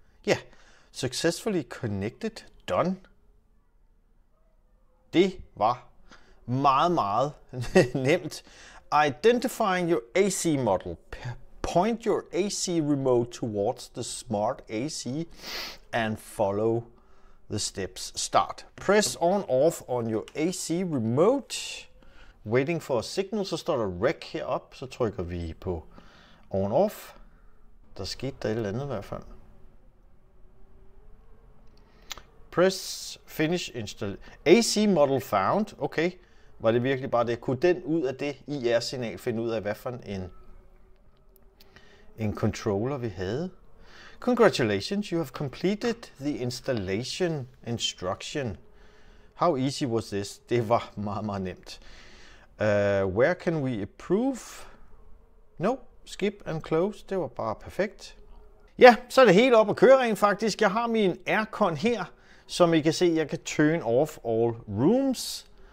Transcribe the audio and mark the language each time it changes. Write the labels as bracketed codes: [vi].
[en] Ja, successfully connected, done. [da] Det var meget, meget nemt. [en] Identifying your AC model. Point your AC remote towards the smart AC and follow the steps. Start. Press on off on your AC remote. Waiting for a signal, [da] så står der rec herop, så trykker vi på on off. Der skete der et eller andet i hvert fald. [en] Press finish install. AC model found. Okay. [da] Var det virkelig bare det? Kunne den ud af det IR-signal finde ud af, hvad for en controller vi havde? [en] Congratulations, you have completed the installation instruction. How easy was this? [da] Det var meget, meget nemt. [en] Where can we approve? No, skip and close. [da] Det var bare perfekt. Ja, så er det helt op at køre rent faktisk. Jeg har min aircon her, som I kan se, jeg kan [en] turn off all rooms.